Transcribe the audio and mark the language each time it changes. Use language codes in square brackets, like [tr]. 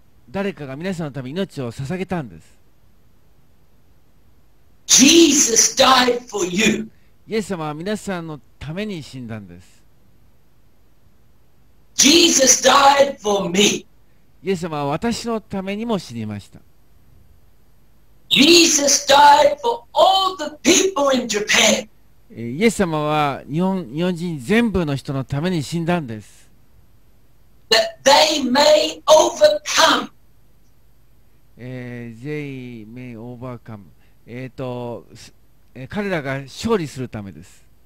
[ja] 誰かが皆さんのために命を捧げたんです。 [en] Jesus died for you. [ja] イエス様は皆さんのために死んだんです。 [en] Jesus died for me. [ja] イエス様は私のためにも死にました。 [en] Jesus died for all the people in Japan. [ja] イエス様は日本人全部の人のために死んだんです。 [en] That they may overcome. They may overcome. [ja] 彼らが勝利するためです。